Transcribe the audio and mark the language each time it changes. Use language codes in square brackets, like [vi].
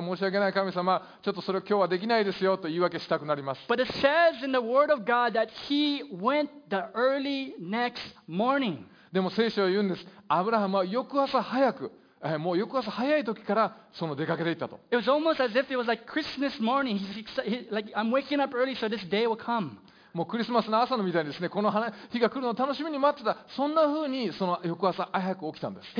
[ja] 申し訳ない神様、ちょっとそれ今日はできないですよと言い訳したくなります。 [en] But it says in the word of God that he went the early next morning. [ja] でも聖書は言うんです。アブラハムは翌朝早く。もう翌朝早い時からその出かけていったと。もうクリスマスの朝のみたいにですね、この日が来るのを楽しみに待ってた。そんな風にその翌朝早く起きたんです。